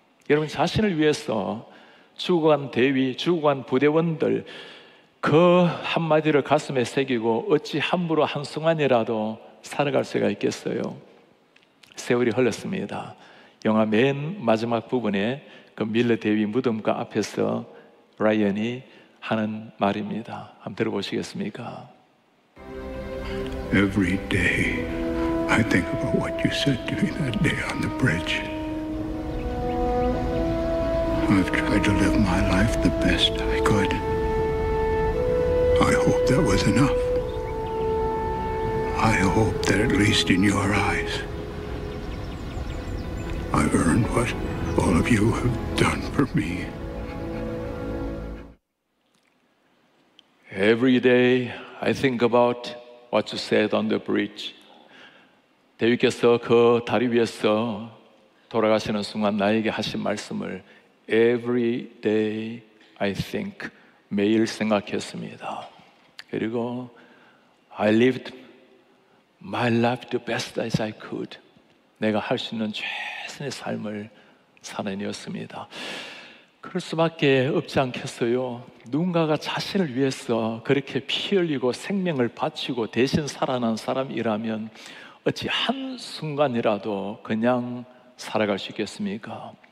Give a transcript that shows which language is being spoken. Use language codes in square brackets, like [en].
[ko] 여러분 자신을 위해서 죽어간 대위, 죽어간 부대원들 그 한마디를 가슴에 새기고 어찌 함부로 한순간이라도 살아갈 수가 있겠어요? 세월이 흘렀습니다. 영화 맨 마지막 부분에 그 밀러 대위 무덤과 앞에서 라이언이 하는 말입니다. 한번 들어보시겠습니까? [en] Every day I think about what you said to me that day on the bridge. I've tried to live my life the best I could. I hope that was enough. I hope that at least in your eyes I've earned what all of you have done for me. Every day I think about what you said on the bridge. [ko] 대위께서 그 다리 위에서 돌아가시는 순간 나에게 하신 말씀을 [en] Every day I think, [ko] 매일 생각했습니다. 그리고 [en] I lived my life the best as I could. [ko] 내가 할 수 있는 최선의 삶을 살아내었습니다. 그럴 수밖에 없지 않겠어요? 누군가가 자신을 위해서 그렇게 피 흘리고 생명을 바치고 대신 살아난 사람이라면 어찌 한순간이라도 그냥 살아갈 수 있겠습니까?